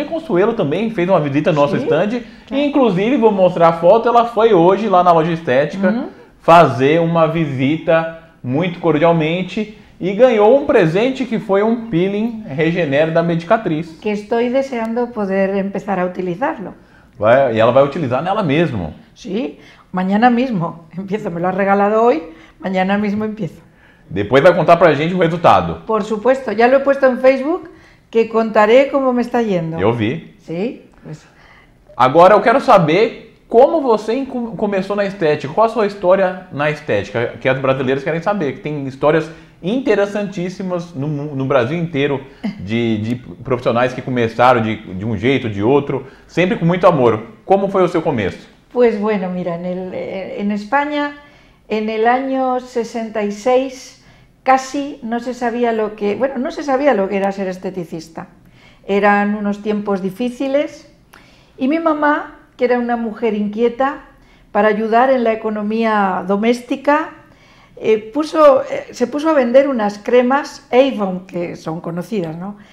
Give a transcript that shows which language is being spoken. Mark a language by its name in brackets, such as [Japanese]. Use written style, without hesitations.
[Portuguese] A Consuelo também fez uma visita no nosso stand. E, inclusive, vou mostrar a foto, ela foi hoje lá na Loja Estética fazer uma visita muito cordialmente e ganhou um presente que foi um peeling Regenera da Medicatriz. Que estou deseando poder começar a utilizá-lo. Vai, e ela vai utilizar nela mesmo. [Spanish] Sim, mañana mismo empiezo. Me lo ha regalado hoy, mañana mismo empiezo. [Portuguese] Depois vai contar pra gente o resultado. [Spanish] Por supuesto, ya lo he puesto en Facebook, que contaré como me está yendo. [Portuguese] Eu vi. Sim. Pues... Agora eu quero saber como você começou na estética, qual a sua história na estética, que as brasileiras querem saber, que tem histórias interessantíssimas no Brasil inteiro de profissionais que começaram de um jeito ou de outro, sempre com muito amor. Como foi o seu começo? [Spanish] Pues bueno, mira, en España, en el año 66, casi no se sabía lo que, bueno, no se sabía lo que era ser esteticista. Eran unos tiempos difíciles y mi mamá, que era una mujer inquieta, para ayudar en la economía doméstica, se puso a vender unas cremas Avon, que son conocidas, ¿no?